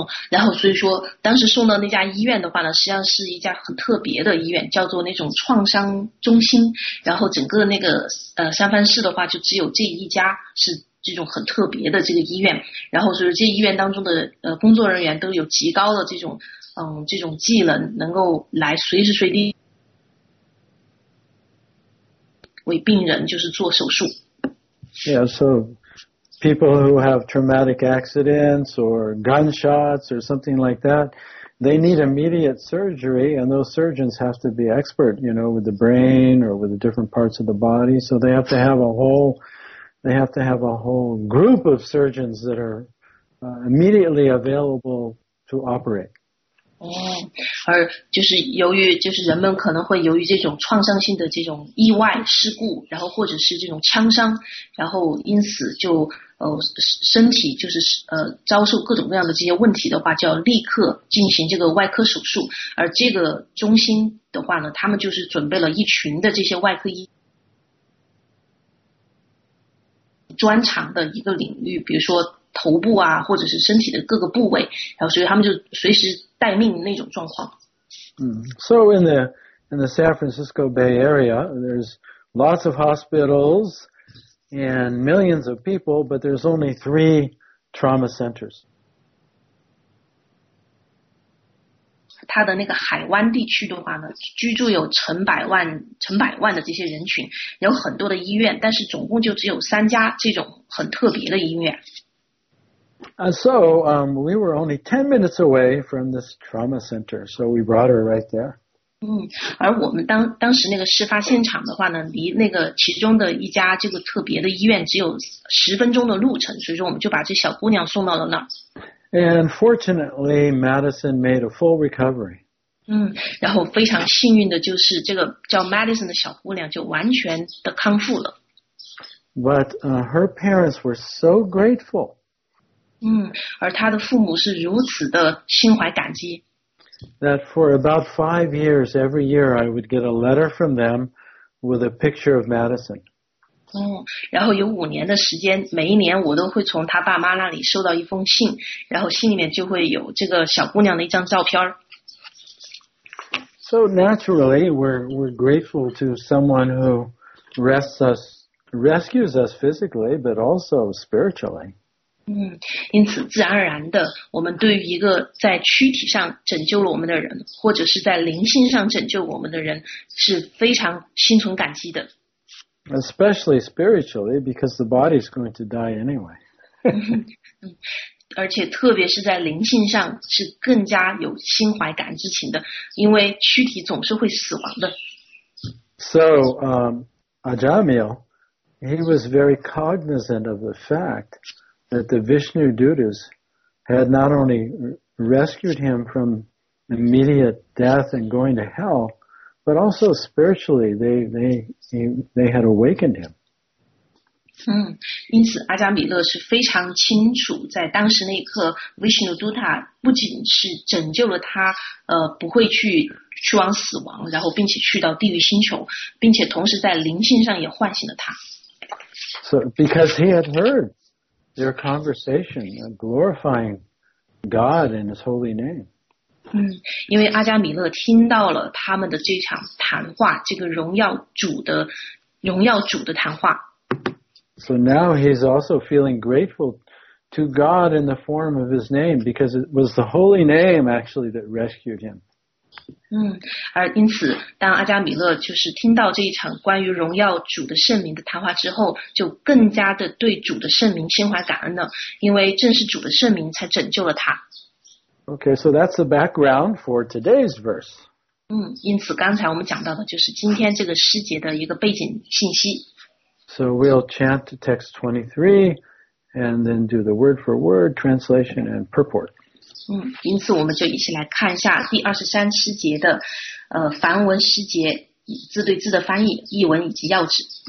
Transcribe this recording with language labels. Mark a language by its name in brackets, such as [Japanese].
[Chinese] 然后所以说当时送到那家医院的话呢，实际上是一家很特别的医院，叫做那种创伤中心，然后整个那个三藩市的话就只有这一家是这种很特别的这个医院，然后所以这医院当中的工作人员都有极高的这种技能，能够来随时随地为病人就是做手术。 [English] Yeah, soPeople who have traumatic accidents or gunshots or something like that, they need immediate surgery, and those surgeons have to be expert, you know, with the brain or with the different parts of the body. So they have to have a whole group of surgeons that are immediately available to operate. [Chinese] 而就是由于就是人们可能会由于这种创伤性的这种意外事故，然后或者是这种枪伤，然后因此就身体就是遭受各种各样的这些问题的话，就要立刻进行这个外科手术。而这个中心的话呢，他们就是准备了一群的这些外科医专长的一个领域，比如说头部啊，或者是身体的各个部位，然后所以他们就随时待命那种状况。 [English] So in the San Francisco Bay Area, there's lots of hospitals and millions of people, but there's only three trauma centers. [Chinese] 它的那个海湾地区的话呢，居住有成百万的这些人群，有很多的医院，但是总共就只有三家这种很特别的医院。 [English] So we were only 10 minutes away from this trauma center, so we brought her right there. [Chinese] 而我们当时那个事发现场的话呢，离那个其中的一家这个特别的医院只有十分钟的路程，所以说我们就把这小姑娘送到了那儿。 [English] And fortunately, Madison made a full recovery. [Chinese] 然后非常幸运的就是这个叫 Madison 的小姑娘就完全的康复了。 [English] But her parents were so grateful. [Chinese] 而他的父母是如此的心怀感激。 [English] That for about 5 years, every year I would get a letter from them with a picture of Madison. [Chinese] 然后有五年的时间，每一年我都会从他爸妈那里收到一封信，然后信里面就会有这个小姑娘的一张照片。 [English] So naturally, we're grateful to someone who rescues us physically, but also spiritually. [Chinese] 因此自然而然的，我们对于一个在躯体上拯救了我们的人，或者是在灵性上拯救我们的人，是非常心存感激的。 [English] Especially spiritually, because the body is going to die anyway. [Chinese] 而且特别是在灵性上是更加有心怀感激情的，因为躯体总是会死亡的。 [English] So, Ajamil, he was very cognizant of the fact. That the Vishnu Dutas had not only rescued him from immediate death and going to hell, but also spiritually they had awakened him. [Chinese] 因此阿加米勒是非常清楚，在当时那一刻 ，Vishnu Dutta 不仅是拯救了他，不会去往死亡，然后并且去到地狱星球，并且同时在灵性上也唤醒了他。 [English] So because he had heard. Their conversation, glorifying God in His holy name. [Chinese] 因为阿加米勒听到了他们的这场谈话，这个荣耀主的谈话。 [English] So now he's also feeling grateful to God in the form of His name, because it was the holy name actually that rescued him. [Chinese] 而因此当阿加米勒就是听到这一场关于荣耀主的圣名的谈话之后，就更加的对主的圣名心怀感恩了，因为正是主的圣名才拯救了他。 [English] Okay, so that's the background for today's verse. [Chinese] 因此刚才我们讲到的就是今天这个诗节的一个背景信息。 [English] So we'll chant text 23 and then do the word for word translation and purport. [Chinese] 因此我们就一起来看一下第23诗节的梵文诗节字对字的翻译、译文以及要旨。